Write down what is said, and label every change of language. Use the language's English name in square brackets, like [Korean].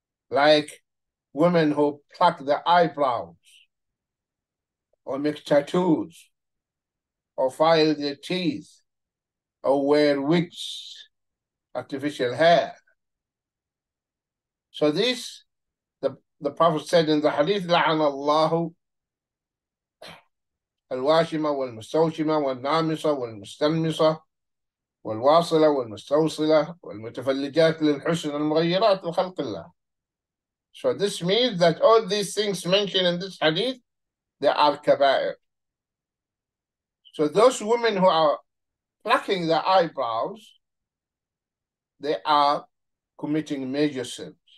[English] Like women who pluck their eyebrows, or make tattoos, or file their teeth, or wear wigs, artificial hair. So this, the Prophet said in the hadith, [Arabic] لَعَنَ اللَّهُ الْوَاشِمَ وَالْمُسْتَوْشِمَ وَالنَّامِصَ وَالْمُسْتَلْمِصَ وَالْوَاصِلَ وَالْمُسْتَوْصِلَ وَالْمُتَفَلِّجَاتِ لِلْحُسْنِ الْمُغَيِّرَاتِ لِخَلْقِ اللَّهِ. [English] So this means that all these things mentioned in this hadith, they are kaba'ir. So those women who are plucking their eyebrows, they are committing major sins.